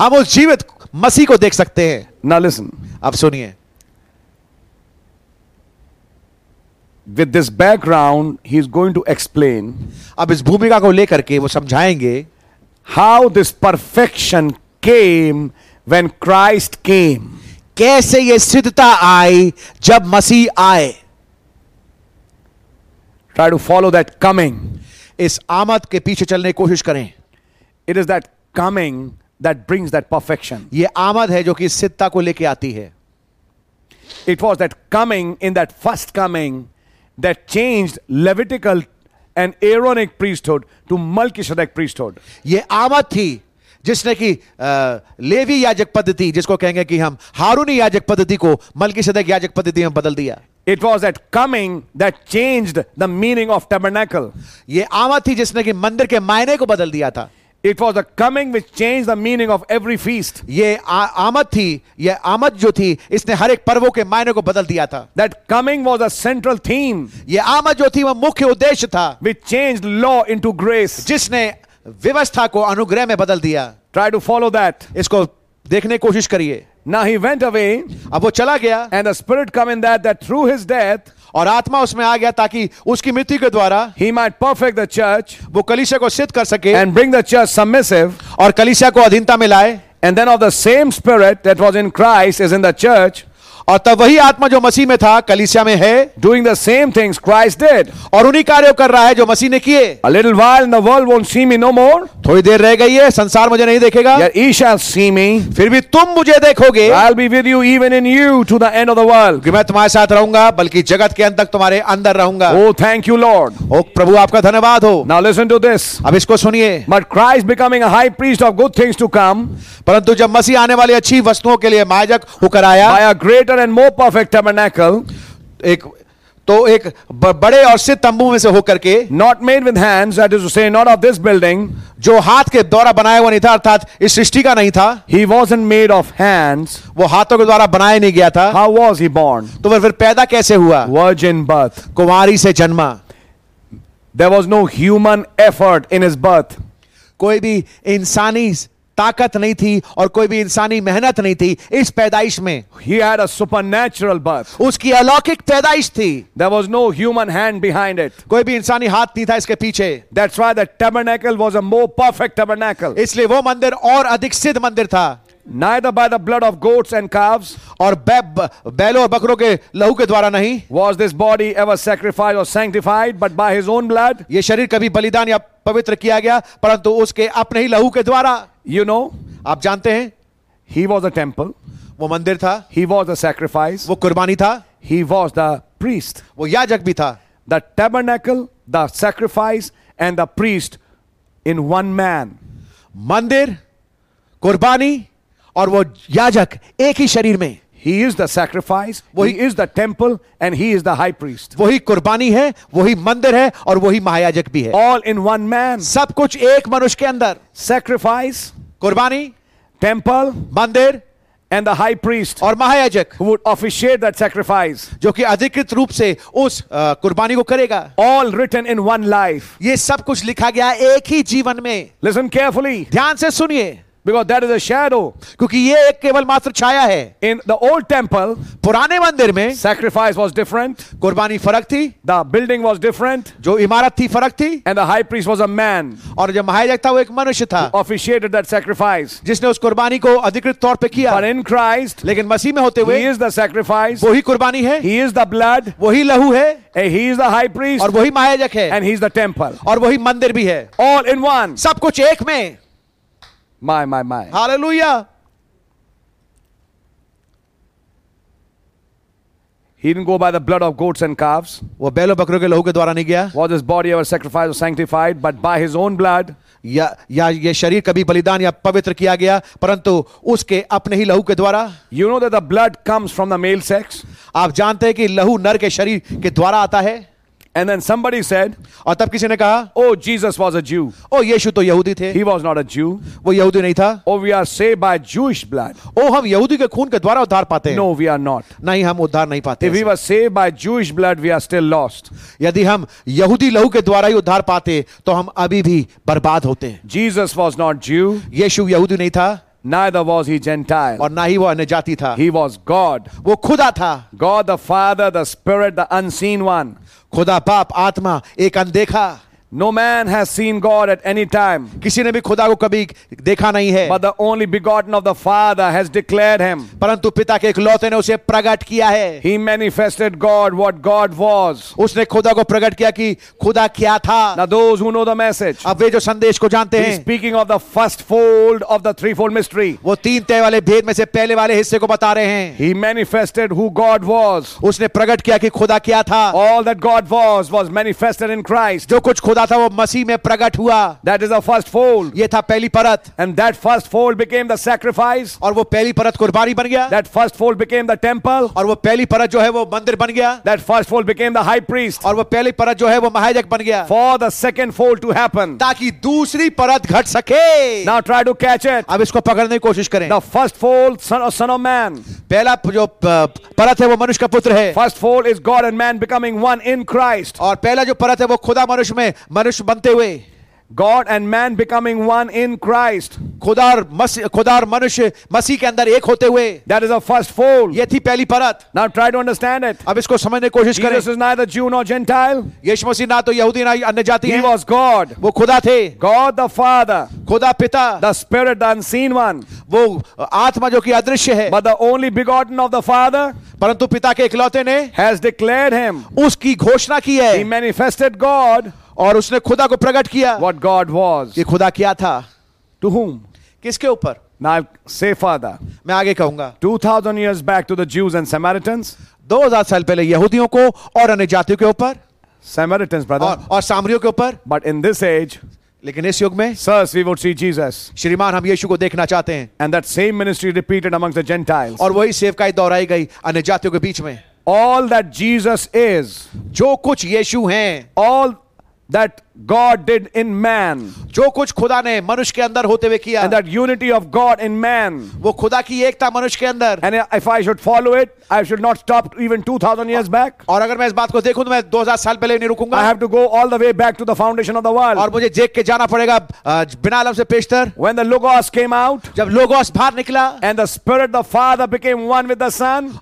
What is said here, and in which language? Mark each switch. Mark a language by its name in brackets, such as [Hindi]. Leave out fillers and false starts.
[Hindi] हम उस जीवित मसीह को देख सकते हैं. [English] Now listen. [Hindi] अब सुनिए. [English] With this background, he is going to explain. [Hindi] अब इस भूमिका को लेकर के वो समझाएंगे. [English] How this perfection came when Christ came. [Hindi] कैसे ये सिद्धता आई जब मसीह आए. [English] Try to follow that coming. [Hindi] इस आमद के पीछे चलने की कोशिश करें. [English] It is that coming that brings that perfection. [Hindi] ये आमद है जो कि सिद्धता को लेके आती है. [English] It was that coming in that first coming that changed Levitical and Aaronic priesthood to Melchizedek priesthood. [Hindi] ये आमद थी जिसने कि लेवी याजक पद्धति, जिसको कहेंगे कि हम हारूनी याजक पद्धति को मलकीसदक याजक पद्धति में बदल दिया. [English] It was that coming that changed the meaning of tabernacle. [Hindi] ये आमद थी जिसने कि मंदिर के मायने को बदल दिया था. [English] It was the coming which changed the meaning of every feast. [Hindi] ये आमद जो थी इसने हर एक पर्वों के मायने को बदल दिया था. [English] That coming was a central theme. [Hindi] ये आमद जो थी वह मुख्य उद्देश्य था. [English] Which changed law into grace. [Hindi] जिसने व्यवस्था को अनुग्रह में बदल दिया. [English] Try to follow that. [Hindi] इसको देखने की कोशिश करिए. [English] Now he went away. [Hindi] अब वो चला गया. [English] And the spirit come in that through his death. [Hindi] और आत्मा उसमें आ गया ताकि उसकी मृत्यु के द्वारा [English] he might perfect the church. [Hindi] वो कलीसिया को सिद्ध कर सके. [English] And bring the church submissive. [Hindi] और कलीसिया को अधीनता में लाए. [English] And then of the same spirit that was in Christ is in the church. [Hindi] और तब वही आत्मा जो मसीह में था कलीसिया में है. [English] Doing the same things Christ did. [Hindi] और उन्हीं कार्यों कर रहा है जो मसीह ने किए. [English] A little while and the world won't see me no more. [Hindi] थोड़ी देर रह गई है संसार मुझे नहीं देखेगा. [English] Yet he shall see me. [Hindi] फिर भी तुम मुझे देखोगे. [English] I'll be with you even in you to the end of the world. [Hindi] मैं तुम्हारे साथ रहूंगा बल्कि जगत के अंत तक तुम्हारे अंदर रहूंगा. [English] Oh thank you Lord. [Hindi] ओ प्रभु आपका धन्यवाद हो. [English] Now listen to this. [Hindi] अब इसको सुनिए. [English] But Christ becoming a high priest of good things to come. [Hindi] परंतु जब मसीह आने वाली अच्छी वस्तुओं के लिए महायाजक होकर आया. [English] By a greater and more perfect tabernacle. [Hindi] एक तो एक बड़े और सिद्ध तंबू में से होकर के. [English] Not made with hands, that is to say not of this building. [Hindi] जो हाथ के द्वारा बनाया हुआ नहीं था अर्थात इस सृष्टि का नहीं था. [English] He wasn't made of hands. [Hindi] वो हाथों के द्वारा बनाया नहीं गया था. [English] How was he born? [Hindi] तो फिर पैदा कैसे हुआ? [English] Virgin birth. [Hindi] कुमारी से जन्मा. [English] There was no human effort in his birth. [Hindi] कोई भी इंसानी ताकत नहीं थी और कोई भी इंसानी मेहनत नहीं थी इस पैदाइश में. [English] He had a supernatural birth. [Hindi] उसकी अलौकिक पैदाइश थी. [English] There was no human hand behind it. [Hindi] कोई भी इंसानी हाथ नहीं था इसके पीछे. [English] That's why the tabernacle was a more perfect tabernacle. [Hindi] इसलिए वो मंदिर और अधिक सिद्ध मंदिर था. [English] Neither by the blood of goats and calves. [Hindi] और बैलों और बकरों के लहू के द्वारा नहीं. [English] Was this body ever sacrificed or sanctified but by his own blood? [Hindi] ये शरीर कभी बलिदान या पवित्र किया गया परंतु उसके अपने ही लहू के द्वारा. [English] You know, [Hindi] आप जानते हैं. [English] He was a temple. [Hindi] वो मंदिर था. [English] He was a sacrifice. [Hindi] वो कुर्बानी था. [English] He was the priest. [Hindi] वो याजक भी था. [English] The tabernacle, the sacrifice, and the priest in one man. [Hindi] मंदिर, कुर्बानी और वो याजक एक ही शरीर में. [English] He is the sacrifice. He is the temple, and he is the high priest. [Hindi] वही कुर्बानी है, वही मंदिर है, और वही महायाजक भी है. [English] All in one man. [Hindi] सब कुछ एक मनुष्य के अंदर. [English] Sacrifice, [Hindi] कुर्बानी, [English] temple, [Hindi] मंदिर, [English] and the high priest. [Hindi] और महायाजक. [English] Who would officiate that sacrifice? [Hindi] जो कि अधिकृत रूप से उस कुर्बानी को करेगा. [English] All written in one life. [Hindi] ये सब कुछ लिखा गया एक ही जीवन में. [English] Listen carefully. [Hindi] ध्यान से सुनिए. [English] Because that is a shadow. [Hindi] क्योंकि ये एक केवल मात्र छाया है. [English] In the old temple, [Hindi] पुराने मंदिर में, [English] sacrifice was different. [Hindi] कुर्बानी फरक थी. [English] The building was different. [Hindi] जो इमारत थी फरक थी. [English] And the high priest was a man. [Hindi] और जो महायाजक था वो एक मनुष्य था. [English] Who officiated that sacrifice. [Hindi] जिसने उस कुर्बानी को अधिकृत तौर पे किया. [English] But in Christ, [Hindi] लेकिन मसीह में होते हुए, [English] he is the sacrifice. [Hindi] वही कुर्बानी है. [English] He is the blood. [Hindi] वही लहू है. [English] And he is the high priest. [Hindi] और वही महायाजक है. [English] And he is the temple. [Hindi] और वही मंदिर भी है. [English] All in one. [Hindi] सब कुछ एक में. [English] My. Hallelujah. He didn't go by the blood of goats and calves. [Hindi] वो बैलों बकरों के लहू के द्वारा नहीं गया. [English] Was his body ever sacrificed or sanctified? But by his own blood. [Hindi] या ये शरीर कभी बलिदान या पवित्र किया गया परंतु उसके अपने ही लहू के द्वारा. [English] You know that the blood comes from the male sex. [Hindi] आप जानते हैं कि लहू नर के शरीर के द्वारा आता है. [English] And then somebody said, [Hindi] और तब किसी ने कहा, [English] Oh, Jesus was a Jew. [Hindi] Oh, यीशु तो यहूदी थे. [English] He was not a Jew. [Hindi] वो यहूदी नहीं था. [English] Oh, we are saved by Jewish blood. [Hindi] Oh, हम यहूदी के खून के द्वारा उद्धार पाते हैं. [English] No, we are not. [Hindi] नहीं, हम उद्धार नहीं पाते. [English] If we were saved by Jewish blood, we are still lost. [Hindi] यदि हम यहूदी लहू के द्वारा ही उद्धार पाते तो हम अभी भी बर्बाद होते. [English] Jesus was not Jew. [Hindi] यीशु यहूदी नहीं था. [English] Neither was he Gentile. [Hindi] और ना ही वो अन्य जाति था. [English] He was God. [Hindi] वो खुदा था. [English] God the Father, the Spirit, the unseen one. [Hindi] खुदा बाप, आत्मा, एक अनदेखा. [English] No man has seen God at any time. [Hindi] किसी ने भी खुदा को कभी देखा नहीं है. [English] But the only begotten of the Father has declared him. [Hindi] परंतु पिता के इकलौते ने उसे प्रकट किया है. [English] He manifested God, what God was. [Hindi] उसने खुदा को प्रकट किया कि खुदा क्या था. [English] Now those who know the message. [Hindi] अब वे जो संदेश को जानते हैं. [English] Speaking of the first fold of the threefold mystery. [Hindi] वो तीन तह वाले भेद में से पहले वाले हिस्से को बता रहे हैं. [English] He manifested who God was. [Hindi] उसने प्रकट किया कि खुदा क्या था. [English] All that God was manifested in Christ. [Hindi] जो कुछ खुदा था वो मसीह में प्रकट हुआ. [English] That is the first fold. [Hindi] ये था पहली परत. [English] And that first fold became the sacrifice. [Hindi] और वो पहली परत कुर्बानी बन गया. [English] That first fold became the temple. [Hindi] और वो पहली परत जो है वो मंदिर बन गया. [English] That first fold became the high priest. [Hindi] और वो पहली परत जो है वो महायाजक बन गया. [English] For the second fold to happen. [Hindi] ताकि दूसरी परत घट सके. [English] Now try to catch it. [Hindi] अब इसको पकड़ने की कोशिश करें. [English] The first fold, son of man. [Hindi] पहला जो परत है वो मनुष्य का पुत्र है. [English] First fold is God and man becoming one in Christ. [Hindi] और पहला जो परत है वो खुदा मनुष्य में मनुष्य बनते हुए. [English] God and man becoming one in Christ. [Hindi] खुदार मनुष्य मसीह के अंदर एक होते हुए. [English] That is the first fold. [Hindi] ये थी पहली परत. [English] Now try to understand it. [Hindi] अब इसको समझने की कोशिश करें. [English] Jesus is neither Jew nor Gentile. [Hindi] यीशु मसीह ना तो यहूदी ना अन्य जाति. [English] He was God. [Hindi] वो खुदा थे. [English] God the Father. [Hindi] खुदा पिता. [English] The Spirit, the unseen one. [Hindi] वो आत्मा जो कि अदृश्य है. [English] But the only begotten of the Father. [Hindi] परंतु पिता के इकलौते ने. [English] Has declared him. [Hindi] उसकी घोषणा की है. [English] He manifested God. [Hindi] और उसने खुदा को प्रकट किया. [English] What God was. [Hindi] ये खुदा क्या था. [English] To whom. [Hindi] किसके ऊपर. [English] Now I'll say Father. [Hindi] मैं आगे कहूंगा. [English] 2000 years back to the Jews and Samaritans. [Hindi] 2000 साल पहले यहूदियों को और अन्य जातियों के ऊपर. [English] Samaritans brother. [Hindi] और सामरियों के ऊपर. [English] But in this age. [Hindi] लेकिन इस युग में. [English] Sirs, we would see Jesus. [Hindi] श्रीमान हम यीशु को देखना चाहते हैं. [English] And that same ministry repeated amongst the Gentiles. [Hindi] और वही सेवकाई दोहराई गई अन्य जातियों के बीच में. [English] All that Jesus is. [Hindi] जो कुछ यीशु हैं. [English] All that God did in man. [Hindi] जो कुछ खुदा ने मनुष्य के अंदर होते हुए किया. [English] And that unity of God in man. [Hindi] वो खुदा की एकता मनुष्य के अंदर. [English] And if I should follow it, I should not stop even 2000 years back. [Hindi] और अगर मैं इस बात को देखूं तो मैं 2000 साल पहले नहीं रुकूंगा. [English] I have to go all the way back to the foundation of the world. [Hindi] और मुझे देख के जाना पड़ेगा बिना आलम से पेशतर. [English] When the logos came out. [Hindi] जब logos बाहर निकला. [English] And the spirit the father became one with the son.